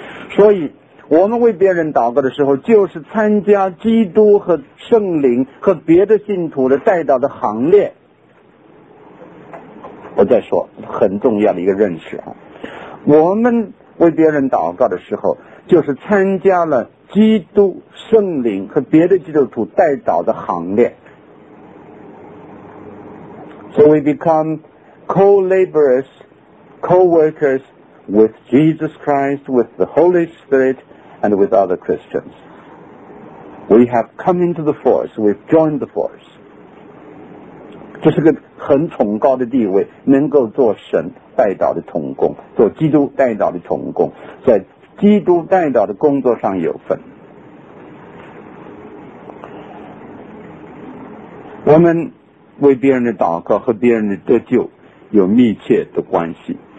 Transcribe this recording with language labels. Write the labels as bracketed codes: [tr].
[zh] 所以我们为别人祷告的时候，就是参加基督和圣灵和别的信徒的代祷的行列。我再说很重要的一个认识啊，我们为别人祷告的时候，就是参加了基督、圣灵和别的基督徒代祷的行列。 [en] So we become co-laborers, co-workers with Jesus Christ, with the Holy Spirit, and with other Christians. We have come into the force, we've joined the force. [zh] 这是个很崇高的地位，能够做神代祷的同工，做基督代祷的同工，在基督代祷的工作上有份。我们为别人的祷告和别人的得救有密切的关系。